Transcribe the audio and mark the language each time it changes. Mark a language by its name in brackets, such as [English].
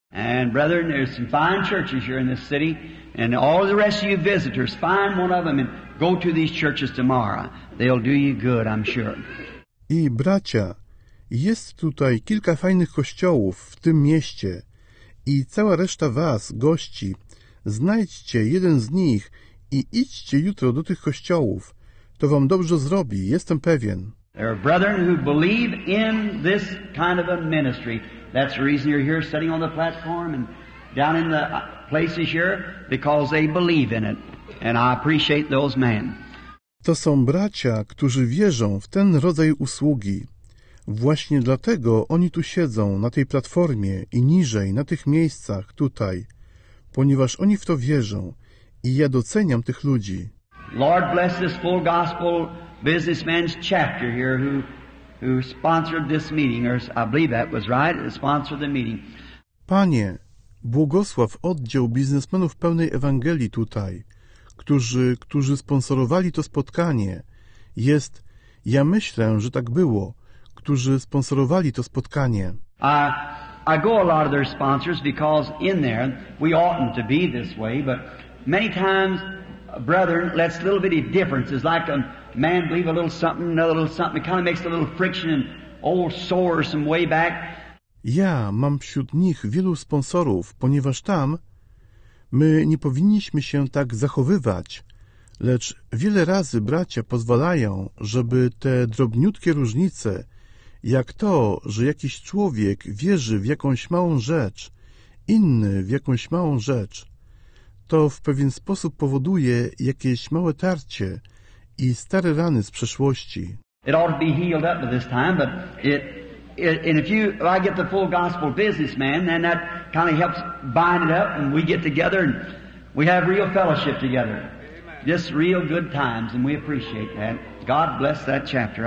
[English] And brethren, there's some fine churches here in this city, and all the rest of you visitors, find one of them and go to these churches tomorrow. They'll do you good, I'm sure. [Polish] I bracia, jest tutaj kilka fajnych kościołów w tym mieście i cała reszta was, gości, znajdźcie jeden z nich i idźcie jutro do tych kościołów. To wam dobrze zrobi, jestem pewien. [English] There are brethren who believe in this kind of a ministry. That's the reason you're here sitting on the platform and down in the places here, because they believe in it. And I appreciate those men. [Polish] To są bracia, którzy wierzą w ten rodzaj usługi. Właśnie dlatego oni tu siedzą, na tej platformie i niżej, na tych miejscach, tutaj. Ponieważ oni w to wierzą. I ja doceniam tych ludzi. [English] Lord bless this full gospel businessman's chapter here who sponsored this meeting, or I believe that was right, sponsored the meeting. [Polish] Panie, błogosław oddział biznesmenów pełnej Ewangelii tutaj, którzy sponsorowali to spotkanie. Jest, ja myślę, że tak było, którzy sponsorowali to spotkanie. [English] I go a lot of their sponsors because in there we oughtn't to be this way, but many times, brethren, let's little bitty differences like a man believe a little something, another little something. It kind of makes a little friction and old sores from way back. [Polish] Ja mam wśród nich wielu sponsorów, ponieważ tam my nie powinniśmy się tak zachowywać, lecz wiele razy bracia pozwalają, żeby te drobniutkie różnice, jak to, że jakiś człowiek wierzy w jakąś małą rzecz, inny w jakąś małą rzecz, to w pewien sposób powoduje jakieś małe tarcie i stare rany z przeszłości. [English] It ought to be healed up by this time, but if I get the full gospel business, man, then that kind of helps bind it up, and we get together and we have real fellowship together. Just real good times, and we appreciate that. God bless that chapter.